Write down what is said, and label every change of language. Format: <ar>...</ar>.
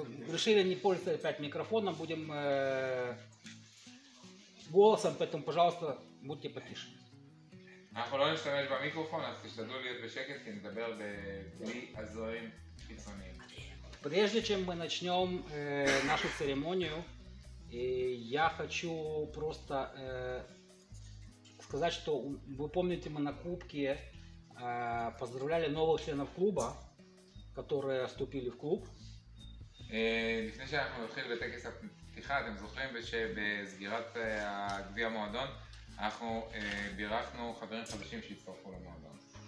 <ru>решили не пользоваться опять микрофоном, будем голосом, поэтому, пожалуйста, будьте потише.</ru> <he>אנחנו לא נשתמש במיקרופון, אז תשתדלו להיות בשקט, כי נדבר בלי עזרים חיצוניים.</he> <ru>Прежде чем мы начнем нашу церемонию, я хочу просто сказать, что вы помните, мы на Кубке поздравляли новых членов клуба, которые вступили в клуб.</ru> <he>לפני שאנחנו נתחיל בטקס הפתיחה, אתם זוכרים שבסגירת גביע המועדון אנחנו בירכנו חברים חדשים שהצטרפו למועדון.</he>